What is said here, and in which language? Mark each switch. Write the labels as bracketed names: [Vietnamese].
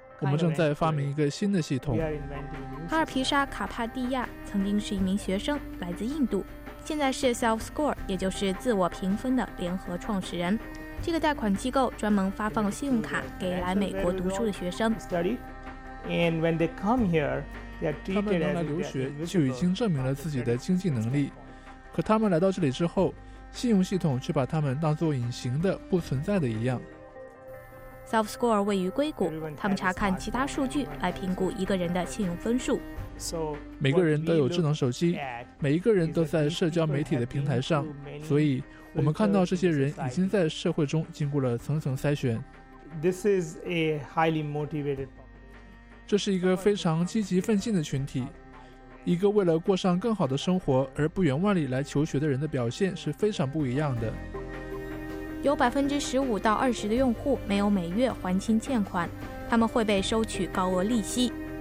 [Chinese] 我们正在发明一个新的系统。哈尔皮沙·卡帕蒂亚曾经是一名学生，来自印度，现在是 SelfScore， 也就是自我评分的联合创始人。这个贷款机构专门发放信用卡给来美国读书的学生。 [English] And when they come here, they are treated as invisible. [Chinese] 他们来留学就已经证明了自己的经济能力，可他们来到这里之后，信用系统却把他们当作隐形的、不存在的一样。 SelfScore 位于硅谷，他们查看其他数据来评估一个人的信用分数。每个人都有智能手机，每一个人都在社交媒体的平台上，所以我们看到这些人已经在社会中经过了层层筛选。 [English] This is a highly motivated. [Chinese] 这是一个非常积极奋进的群体，一个为了过上更好的生活而不远万里来求学的人的表现是非常不一样的。有15%-20%的用户没有每月还清欠款，他们会被收取高额利息。